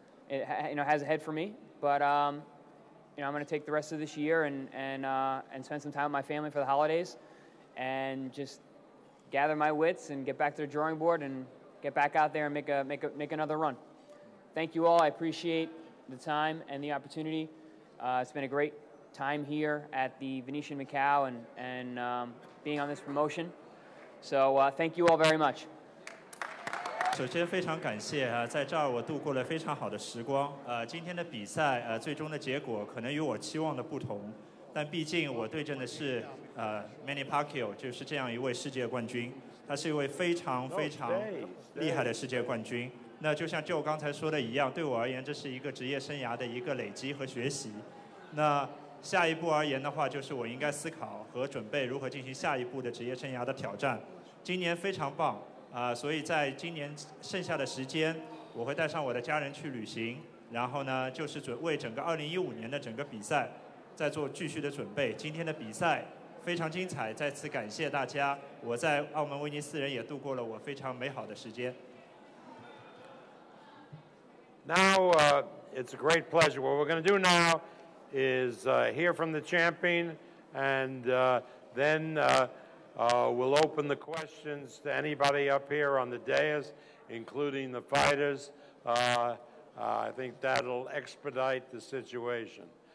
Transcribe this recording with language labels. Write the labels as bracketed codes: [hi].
[en] It you know, has ahead for me, but you know, I'm going to take the rest of this year and spend some time with my family for the holidays, and just gather my wits and get back to the drawing board and get back out there and make another run. Thank you all. I appreciate the time and the opportunity. It's been a great time here at the Venetian Macau and being on this promotion. So thank you all very much. [zh] 首先非常感谢啊，在这儿我度过了非常好的时光。今天的比赛最终的结果可能与我期望的不同，但毕竟我对阵的是Manny Pacquiao， 就是这样一位世界冠军，他是一位非常非常厉害的世界冠军。那就像就刚才说的一样，对我而言这是一个职业生涯的一个累积和学习。那下一步而言的话，就是我应该思考和准备如何进行下一步的职业生涯的挑战。今年非常棒所以在今年剩下的时间，我会带上我的家人去旅行，然后呢，就是为整个2015年的整个比赛在做继续的准备。今天的比赛非常精彩，再次感谢大家，我在澳门威尼斯人也度过了我非常美好的时间。 [en] Now, it's a great pleasure. What we're going to do now is hear from the champion, and then we'll open the questions to anybody up here on the dais, including the fighters. I think that'll expedite the situation.